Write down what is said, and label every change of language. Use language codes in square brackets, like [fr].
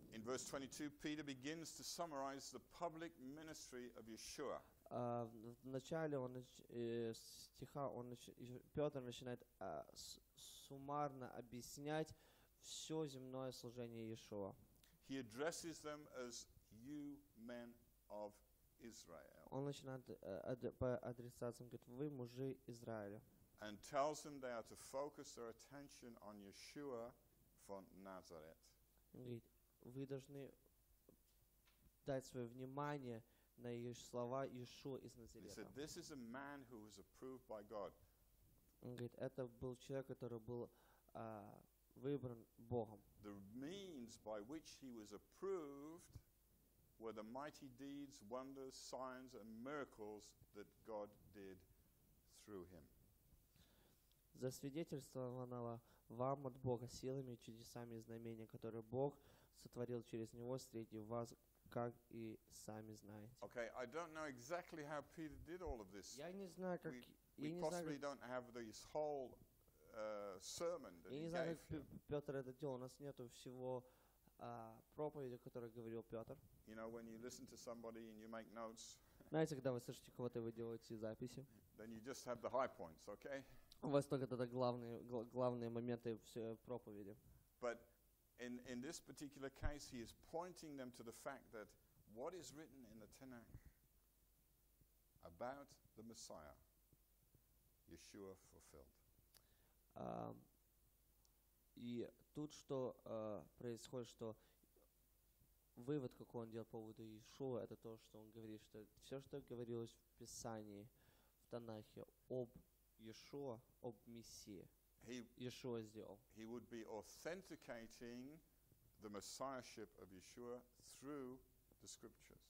[en] In verse 22, Peter begins to summarize the public ministry of Yeshua. [ru] В начале он, стиха он, Петр начинает суммарно объяснять все земное служение Иешуа. [en] He addresses them as you men of Israel. [ru] Он начинает по адресациям, говорит, вы мужи Израиля. [en] And tells them they are to focus their attention on Yeshua from Nazareth. [ru] Говорит, вы должны дать свое внимание на слова Иешуа из Назарета. [en] He said, this is a man who was approved by God. [ru] Он говорит, это был человек, который был выбран Богом. [en] The means by which he was approved were the mighty deeds, wonders, signs, and miracles that God did through him. [ru] Засвидетельствованного вам от Бога силами, чудесами и знамениями, которые Бог сотворил через него среди вас, как и сами знаете. [en] Okay, I don't know exactly how Peter did all of this. [ru] Я не знаю, как. [en] We possibly don't have this whole sermon that he gave. [ru] Я не знаю, как Петр это делал. У нас нету всего проповеди, которую говорил Петр. [en] You know, when you listen to somebody and you make notes. [ru] Знаете, когда вы слышите кого-то, вы делаете записи. [en] Then you just have the high points, okay? [ru] У вас только тогда главные моменты всей проповеди. [en] But in this particular case, he is pointing them to the fact that what is written in the Tanakh about the Messiah, Yeshua fulfilled. [ru] И тут что происходит, что вывод, какой он делал по поводу Иешуа, это то, что он говорит, что все, что говорилось в Писании, в Танахе, об Иешуа, об Мессии, Иешуа сделал. [en] He would be authenticating the messiahship of Yeshua through the scriptures.